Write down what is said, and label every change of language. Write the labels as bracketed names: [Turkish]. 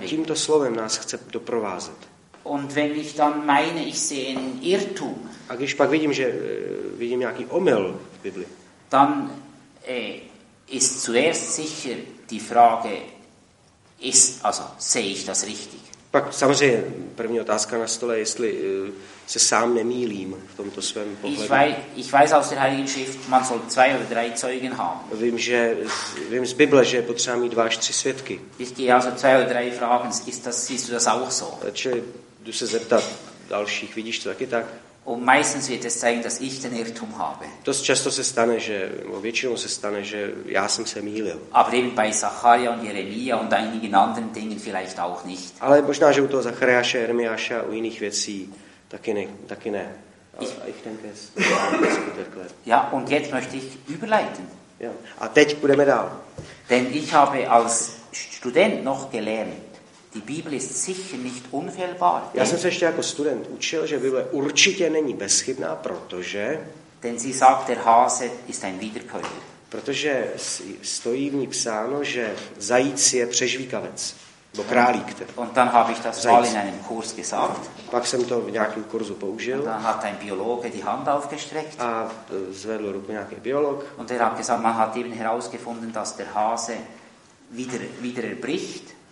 [Czech] tímto slovem nás chce doprovázet. [German] Und wenn ich dann meine, ich sehe einen Irrtum. [Czech] A když pak vidím, že vidím nějaký omyl v Bibli. [German] Dann ist zuerst sicher die Frage, ist, also sehe ich das richtig? [Czech] Pak samozřejmě první otázka na stole, jestli se sám nemýlím v tomto svém pohledu. [German] Ich weiß aus der Heiligen Schrift, man soll zwei oder drei Zeugen haben. [Czech] Vím z Bible, že je potřeba mít dva až tři svědky. [German] Ich gehe also zwei oder drei Fragen, siehst du das auch so? [Czech] Takže jdu se zeptat dalších, vidíš to taky tak? [German] Und meistens wird es zeigen, dass ich den Irrtum habe. [Czech] To často se stane, že většinou se stane, že já jsem se mýlil. [German] Aber eben bei Zacharia und Jeremia und einigen anderen Dingen vielleicht auch nicht. [Czech] Ale možná, že u toho Zachariáše, Jeremiáše a u jiných věcí taky ne. [German] Ich denke es. Ja, und jetzt möchte ich überleiten. [Czech] Ja. A teď půjdeme dál. [German] Denn ich habe als Student noch gelernt, die Bibel ist sicher nicht unfehlbar. [Czech] Já jsem se ještě jako student učil, že Bible určitě není bezchybná, protože... [German] Denn sie sagt, der Hase ist ein Wiederkäuer. [Czech] Protože stojí v ní psáno, že zajíc je přežvíkavec, bo králík. [German] Und dann habe ich das mal in einem Kurs gesagt. [Czech] Pak jsem to v nějakém kurzu použil. [German] Und dann hat ein Biologe die Hand aufgestreckt. [Czech] A zvedl ruku nějaký biolog. [German] Und er hat gesagt, man hat eben herausgefunden, dass der Hase wieder erbricht.